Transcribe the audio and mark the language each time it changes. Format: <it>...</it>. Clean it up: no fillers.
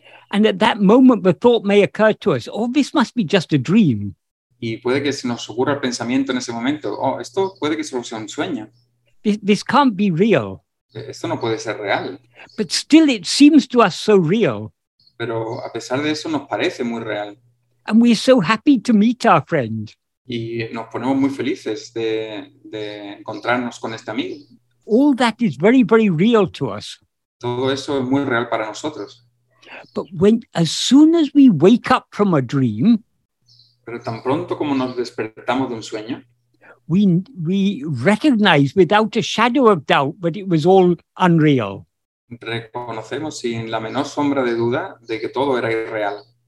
<en>And at that moment, the thought may occur to us, oh, this must be just a dream.</en> <es>Y puede que se nos ocurra el pensamiento en ese momento, oh, esto puede que sea un sueño.</es> <en>This can't be real.</en> <es>Esto no puede ser real.</es> <en>But still it seems to us so real.</en> <es>Pero a pesar de eso nos parece muy real.</es> <en>And we're so happy to meet our friend.</en> <es>Y nos ponemos muy felices de encontrarnos con este amigo.</es> <en>All that is very, very real to us.</en> <es>Todo eso es muy real para nosotros.</es> <en>But when, as soon as we wake up from a dream,</en> <es>pero tan pronto como nos despertamos de un sueño,</es> <en>We recognize without a shadow of doubt that it was all unreal.</en> <es>Reconocemos sin la menor sombra de duda de que todo era irreal.</es>